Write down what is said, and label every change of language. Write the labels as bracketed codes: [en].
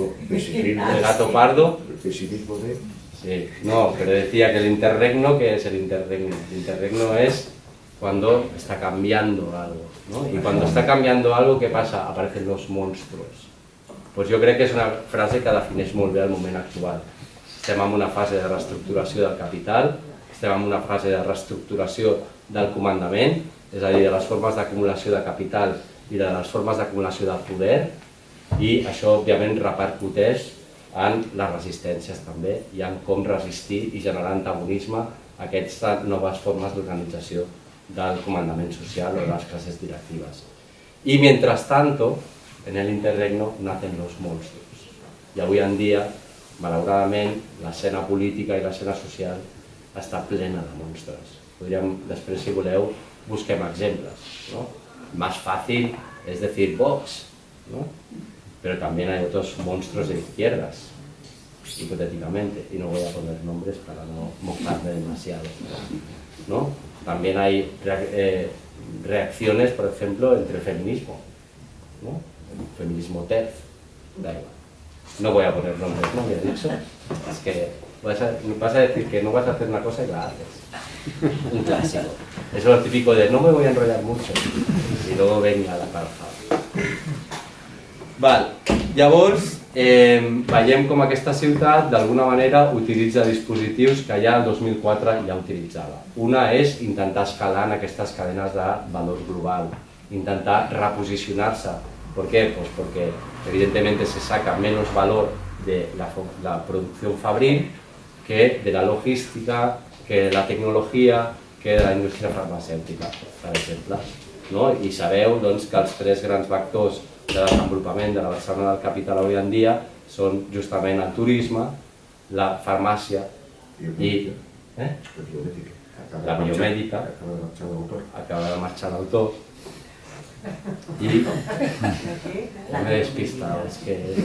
[es] El gato pardo? El pesimismo de... Sí, no, pero decía que l'interregno, ¿qué es el interregno? L'interregno es cuando está cambiando algo. ¿No? Y cuando está cambiando algo, ¿qué pasa? Aparecen los monstruos. Pues yo creo que es una frase que [ca] defineix molt bé el moment actual. Estem en una fase de reestructuració del capital, estem en una fase de reestructuració del comandament, és a dir, de les formes d'acumulació de capital i de les formes d'acumulació de poder, i això, òbviament, repercuteix en les resistències també i en com resistir i generar antagonisme a aquestes noves formes d'organització del comandament social o de les classes directives. [es] I, mientras tanto, en el interregno nacen los monstruos. [ca] I avui en dia, malauradament, l'escena política i l'escena social està plena de monstres. Podríem, després, si voleu, busquem exemples. No? [es] Más fácil es decir Vox, no? Pero también hay otros monstruos de izquierdas, hipotéticamente, y no voy a poner nombres para no mojarme demasiado. No? También hay reacciones, por ejemplo, entre el feminismo, ¿no? El feminismo TERF, da igual. No voy a poner nombres, no me he dicho. Es que vas a decir que no vas a hacer una cosa y la haces. Un clásico. Eso es lo típico de no me voy a enrollar mucho. Y luego venga la parfa. Vale. [ca] Llavors, veiem com aquesta ciutat, d'alguna manera, utilitza dispositius que ja el 2004 ja utilitzava. Una és intentar escalar en aquestes cadenes de valor global, intentar reposicionar-se. [es] ¿Por qué? Pues porque evidentemente se saca menos valor de la producción fabril que de la logística, que de la tecnología, que de la industria farmacéutica, por ejemplo. ¿No? [ca] Y sabeu doncs, que [es] los tres grandes [ca] vectors de desenvolupament de la Barcelona del capital avui en dia són justament el turisme, la farmàcia i la biomèdica. la biomèdica, acaba de marxar l'autor, i no m'he despistat, és que...